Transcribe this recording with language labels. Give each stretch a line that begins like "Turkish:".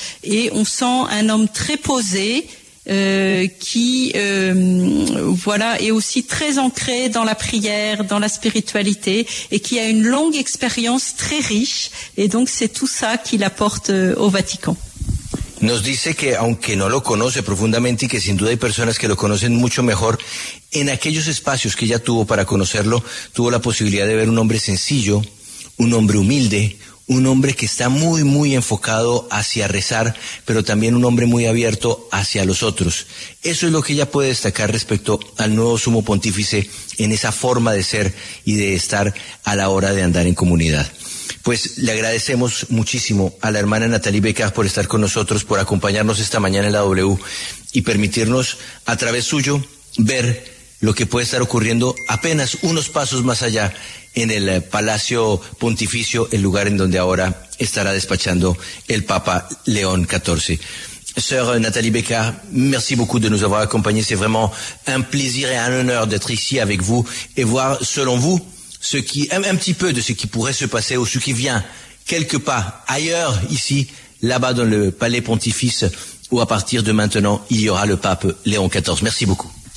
French: Et on sent un homme très posé, qui est aussi très ancré dans la prière, dans la spiritualité, et qui a une longue expérience très riche, et donc c'est tout ça qu'il apporte au Vatican.
Spanish: Nos dice que aunque no lo conoce profundamente y que sin duda hay personas que lo conocen mucho mejor, en aquellos espacios que ella tuvo para conocerlo, tuvo la posibilidad de ver un hombre sencillo, un hombre humilde, un hombre que está muy, muy enfocado hacia rezar, pero también un hombre muy abierto hacia los otros. Eso es lo que ella puede destacar respecto al nuevo sumo pontífice en esa forma de ser y de estar a la hora de andar en comunidad. Pues le agradecemos muchísimo a la hermana Nathalie Becada por estar con nosotros, por acompañarnos esta mañana en la W y permitirnos a través suyo ver lo que puede estar ocurriendo apenas unos pasos más allá en el Palacio Pontificio, el lugar en donde ahora estará despachando el Papa León XIV.
French: Sœur Nathalie Becada, merci beaucoup de nous avoir accompagnés. C'est vraiment un plaisir et un honneur d'être ici avec vous et voir, selon vous, ce qui, un petit peu de ce qui pourrait se passer ou ce qui vient quelque pas ailleurs ici, là-bas dans le Palais Pontifice, où à partir de maintenant, il y aura le Pape León XIV. Merci beaucoup.